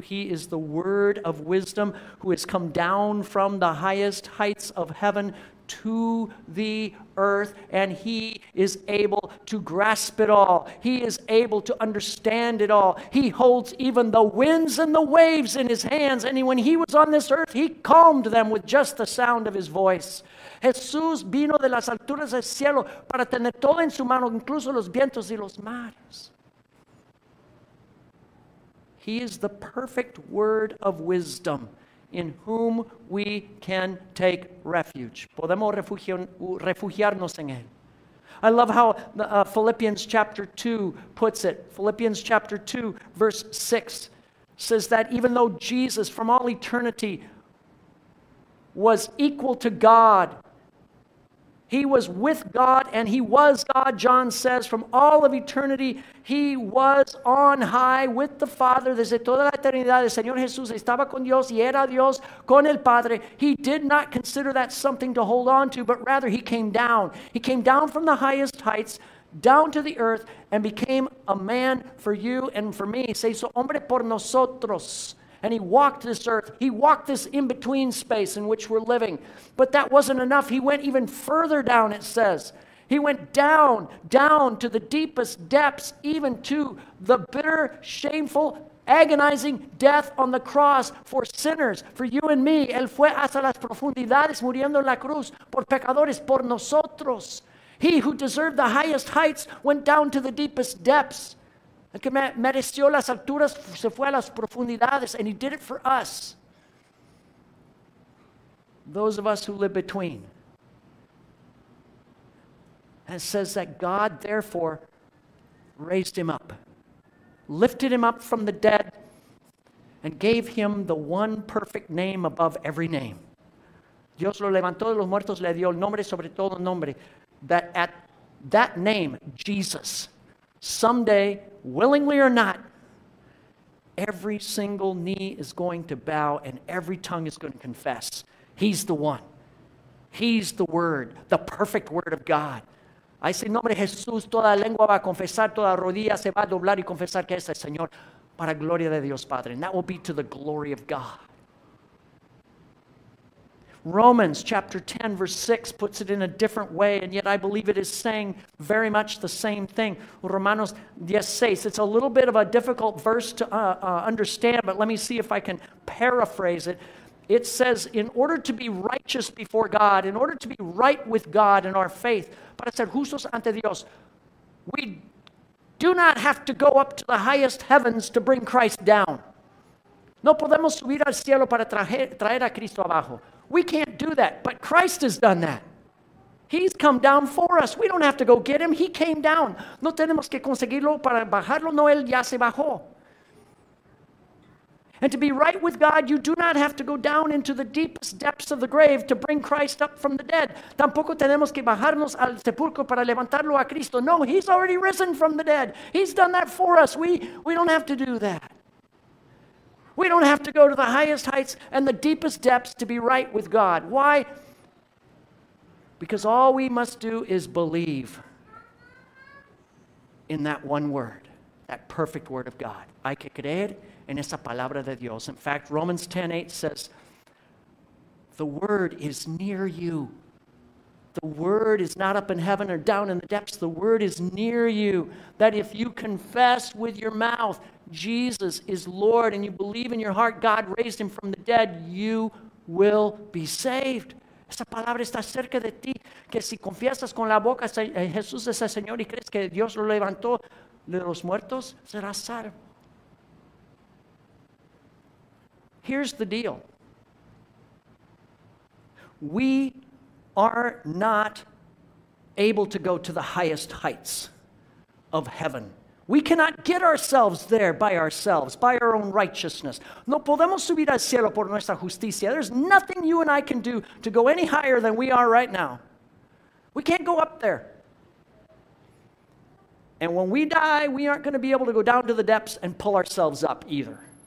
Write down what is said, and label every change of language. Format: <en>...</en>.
<en>He is the word of wisdom who has come down from the highest heights of heaven to the earth, and he is able to grasp it all. He is able to understand it all. He holds even the winds and the waves in his hands, and when he was on this earth, he calmed them with just the sound of his voice.</en> <es>Jesús vino de las alturas del cielo para tener todo en su mano, incluso los vientos y los mares.</es> <en>He is the perfect word of wisdom in whom we can take refuge.</en> <es>Podemos refugiarnos en él.</es> <en>I love how Philippians chapter 2 puts it. Philippians chapter 2, verse 6 says that even though Jesus from all eternity was equal to God, he was with God and he was God, John says, from all of eternity. He was on high with the Father.</en> <es>Desde toda la eternidad, el Señor Jesús estaba con Dios y era Dios con el Padre.</es> <en>He did not consider that something to hold on to, but rather he came down. He came down from the highest heights, down to the earth, and became a man for you and for me.</en> <es>Se hizo hombre por nosotros.</es> <en>And he walked this earth. He walked this in-between space in which we're living. But that wasn't enough. He went even further down, it says. He went down, down to the deepest depths, even to the bitter, shameful, agonizing death on the cross for sinners, for you and me.</en> <es>Él fue hasta las profundidades, muriendo en la cruz, por pecadores, por nosotros.</es> <en>He who deserved the highest heights went down to the deepest depths.</en> <es>Que mereció las alturas, se fue a las profundidades,</es> <en>and he did it for us. Those of us who live between. And it says that God, therefore, raised him up, lifted him up from the dead, and gave him the one perfect name above every name.</en> <es>Dios lo levantó de los muertos, le dio el nombre sobre todo nombre,</es> <en>that at that name, Jesus, someday, willingly or not, every single knee is going to bow and every tongue is going to confess. He's the one. He's the word, the perfect word of God.</en> <es>A ese nombre Jesús, toda lengua va a confesar, toda rodilla se va a doblar y confesar que es el Señor para gloria de Dios Padre.</es> <en>And that will be to the glory of God. Romans chapter 10 verse 6 puts it in a different way, and yet I believe it is saying very much the same thing. Romanos 10, 6. It's a little bit of a difficult verse to understand, but let me see if I can paraphrase it. It says, in order to be righteous before God, in order to be right with God in our faith,</en> <es>para ser justos ante Dios,</es> <en>we do not have to go up to the highest heavens to bring Christ down.</en> <es>No podemos subir al cielo para traer a Cristo abajo.</es> <en>We can't do that, but Christ has done that. He's come down for us. We don't have to go get him. He came down.</en> <es>No tenemos que conseguirlo para bajarlo. No, él ya se bajó.</es> <en>And to be right with God, you do not have to go down into the deepest depths of the grave to bring Christ up from the dead.</en> <es>Tampoco tenemos que bajarnos al sepulcro para levantarlo a Cristo.</es> <en>No, he's already risen from the dead. He's done that for us. We don't have to do that. We don't have to go to the highest heights and the deepest depths to be right with God. Why? Because all we must do is believe in that one word, that perfect word of God.</en> <es>Hay que creer en esa palabra de Dios.</es> <en>In fact, Romans 10:8 says, the word is near you. The word is not up in heaven or down in the depths. The word is near you. That if you confess with your mouth Jesus is Lord and you believe in your heart God raised him from the dead, you will be saved.</en> <es>Esa palabra está cerca de ti, que si confiesas con la boca Jesús es el Señor y crees que Dios lo levantó de los muertos, serás salvo.</es> <en>Here's the deal. We are not able to go to the highest heights of heaven. We cannot get ourselves there by ourselves, by our own righteousness. No podemos subir al cielo por nuestra justicia. There's nothing you and I can do to go any higher than we are right now. We can't go up there. And when we die, we aren't going to be able to go down to the depths and pull ourselves up either.</en>